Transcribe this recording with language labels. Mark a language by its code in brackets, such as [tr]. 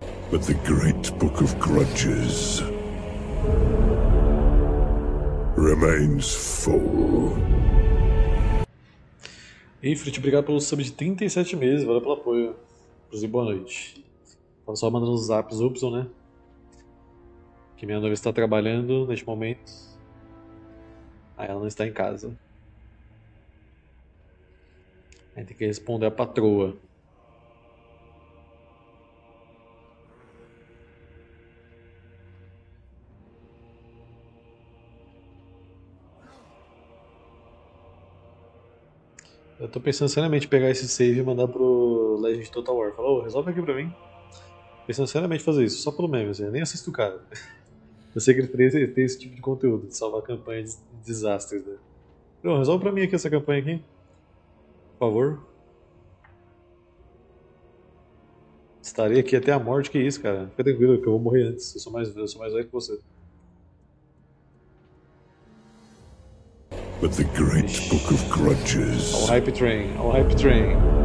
[en] But the Great Book of Grudges remains full. [pt] Ei, Frit, obrigado pelo sub de 37 meses, valeu pelo apoio. Inclusive, boa noite. Tava só mandando uns zaps, ups, né? Que minha noiva está trabalhando neste momento. Aí ela não está em casa. Aí tem que responder a patroa. Eu tô pensando seriamente em pegar esse save e mandar pro Legend Total War. Falou, oh, resolve aqui pra mim. Pensando seriamente em fazer isso, só pelo meme, assim. Nem assisto o cara. Eu sei que ele precisa ter esse tipo de conteúdo, de salvar campanha de desastres, né? Não, resolve pra mim aqui essa campanha aqui. favor. Estarei aqui até a morte, que isso, cara. Fica tranquilo que eu vou morrer antes. Eu sou mais velho que você. [en] But the great book of grudges. [pt] O hype train, o hype train.